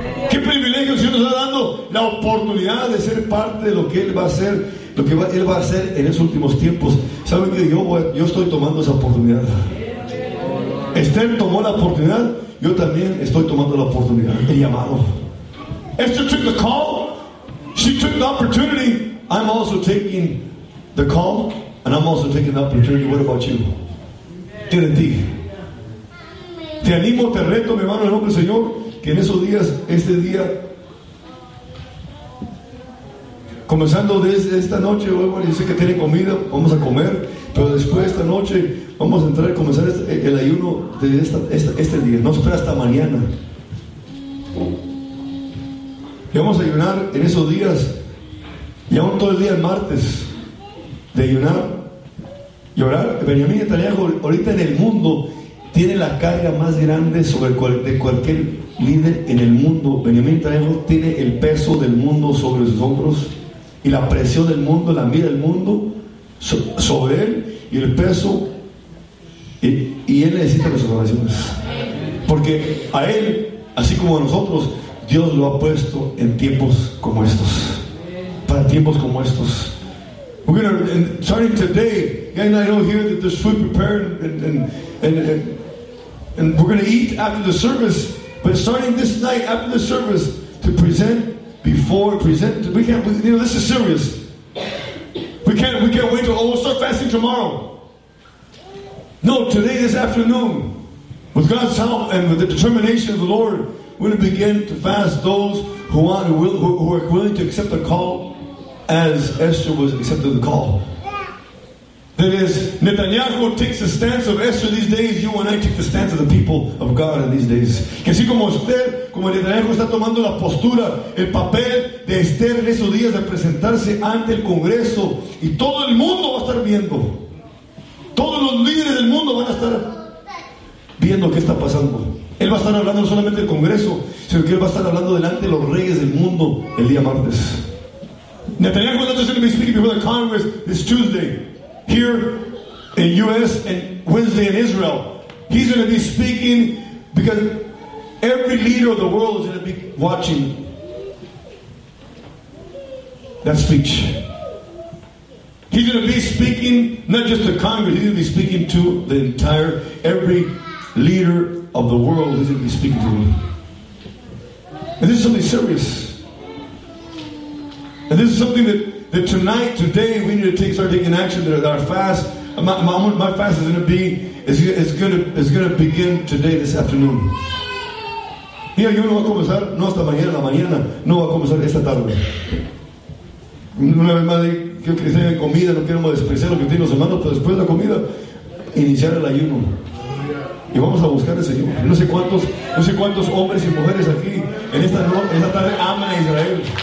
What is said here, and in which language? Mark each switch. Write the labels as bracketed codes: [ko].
[es] Qué privilegio Dios nos está dando, la oportunidad de ser parte de lo que Él va a hacer, lo que Él va a hacer en esos últimos tiempos. ¿Saben qué? Yo estoy tomando esa oportunidad. Esther tomó la oportunidad, yo también estoy tomando la oportunidad, el llamado. [en] Esther took the call, she took the opportunity. I'm also taking the call and I'm also taking the opportunity. What about you? [es] Tiene ti. Te animo, te reto, mi hermano, en nombre del Señor, que en esos días, este día, comenzando desde esta noche, bueno, yo sé que tiene comida, vamos a comer, pero después de esta noche vamos a entrar y comenzar el ayuno de este día. No espera hasta mañana. Y vamos a ayunar en esos días, y aún todo el día el martes, de ayunar y orar. Benjamín Netanyahu, ahorita en el mundo, tiene la carga más grande de cualquier líder en el mundo. Benjamín Netanyahu tiene el peso del mundo sobre sus hombros, y la presión del mundo, la mira del mundo sobre él, y el peso, y él necesita las oraciones, porque a él, así como a nosotros, Dios lo ha puesto en tiempos como estos, para tiempos como estos. [en] Starting today, and I know here that there's food prepared and we're going to eat after the service, but starting this night after the service to present, we can't, you know, this is serious. We can't wait till, we'll start fasting tomorrow. No, today, this afternoon, with God's help and with the determination of the Lord, we're going to begin to fast those who are willing to accept the call as Esther was accepted the call. That is, Netanyahu takes the stance of Esther these days, you and I take the stance of the people of God in these days. [es] Que así como usted, como Netanyahu está tomando la postura, el papel de Esther en esos días de presentarse ante el Congreso, y todo el mundo va a estar viendo. Todos los líderes del mundo van a estar viendo qué está pasando. Él va a estar hablando no solamente del Congreso, sino que él va a estar hablando delante de los reyes del mundo el día martes. [en] Netanyahu is not just going to be speaking before the Congress this Tuesday here in U.S. and Wednesday in Israel. He's going to be speaking because every leader of the world is going to be watching that speech. He's going to be speaking not just to Congress, he's going to be speaking to the entire, every leader of the world is going to be speaking to him. And this is something serious. And this is something that, that tonight, today, we need to take, start taking action. That our fast, my fast is going to be is going to begin today, this afternoon. [es] Mira, yo no va a comenzar no hasta mañana, la mañana no va a comenzar esta tarde. Una vez más, quiero que tengan comida, no queremos despreciar lo que tienen los hermanos, pero después de la comida, iniciar el ayuno. Y vamos a buscar al Señor. No sé cuántos hombres y mujeres aquí en esta tarde aman a Israel.